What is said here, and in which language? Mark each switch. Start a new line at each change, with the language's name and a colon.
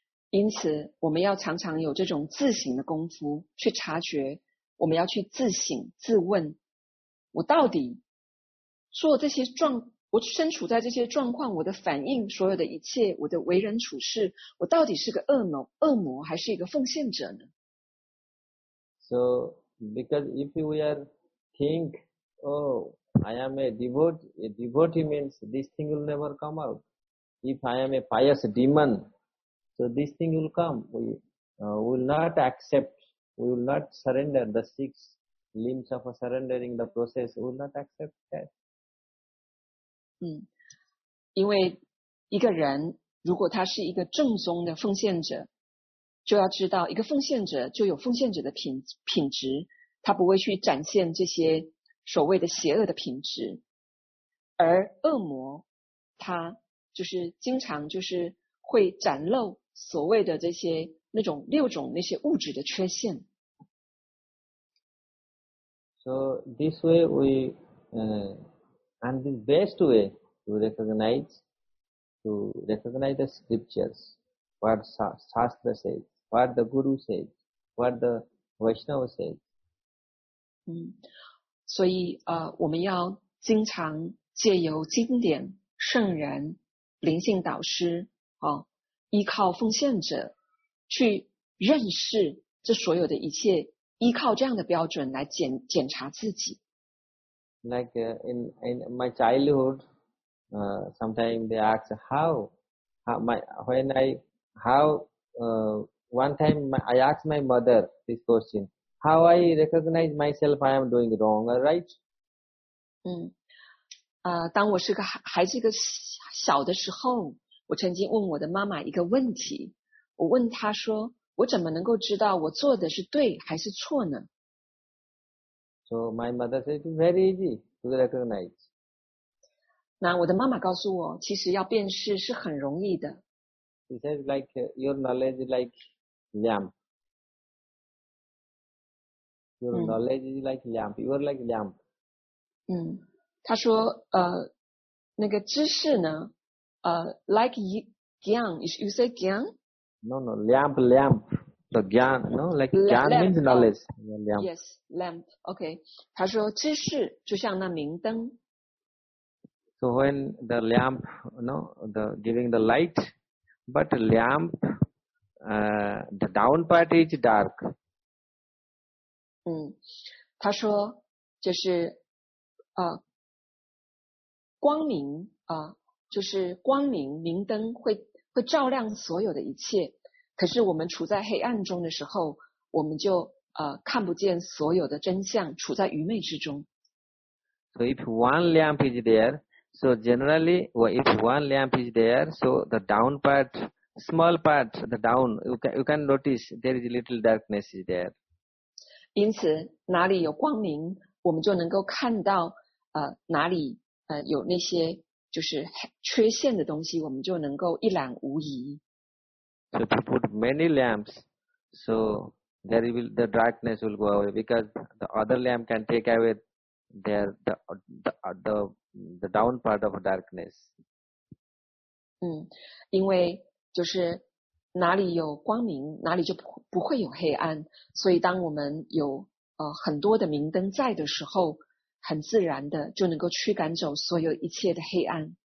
Chinese: 因此我们要常常有这种自省的功夫，去察觉，我们要去自省自问，我到底做这些状，我身处在这些状况，我的反应，所有的一切，我的为人处事，我到底是个恶魔还是一个奉献者呢？
English: So because if we are think, oh, I am a devotee means this thing will never come out. If I am a pious demon,So this thing will come. We will not accept. We will not surrender the six limbs of a surrendering the process. We will not accept that.
Chinese: 因为一个人如果他是一个正宗的奉献者，就要知道一个奉献者就有奉献者的品质，他不会去展现这些所谓的邪恶的品质。而恶魔他就是经常就是会展露。所谓的这些那种六种那些物质的缺陷。
English: So this way and the best way to recognize the scriptures, what Shastra says, what the Guru says, what the Vaishnava says.
Chinese: 所以我们要经常借由经典、圣人、灵性导师依靠奉献者去认识这所有的一切，依靠这样的标准来检查自己。
English: Like in my childhood, sometimes they ask one time I asked my mother this question, how I recognize myself I am doing wrong or right?
Chinese: 当我是个孩子小的时候。我曾经问我的妈妈一个问题，我问她说，我怎么能够知道我做的是对还是错呢？
English: So my mother said it's very easy to recognize.
Chinese: 那我的妈妈告诉我，其实要辨识是很容易的。
English: She says like your knowledge is like lamp. Your knowledge is like lamp. You are like lamp.
Chinese: 她说那个知识呢
English: like gyan, you say gyan? No, lamp, the gyan, no, like gyan means knowledge. Lamp. Yes, lamp, okay.
Chinese: 他说知识就像那明灯。
English: So when the lamp, the giving the light, but lamp, the down part is dark.
Chinese: 他说就是光明就是光明明灯会照亮所有的一切，可是我们处在黑暗中的时候，我们就看不见所有的真相，处在愚昧之中。
English: So if one lamp is there, so generally, well, if one lamp is there, so the down part, small part, the down, you can notice there is a little darkness is there.
Chinese: 因此，哪里有光明，我们就能够看到哪里有那些。就是缺陷的东西，我们就能够一览无遗。
English: So to put many lamps, so there will the darkness will go away because the other lamp can take away the down part of darkness.
Chinese: 因为就是哪里有光明，哪里就不会有黑暗。所以当我们有很多的明灯在的时候。很自然的就能够驱赶走所有一切的黑暗。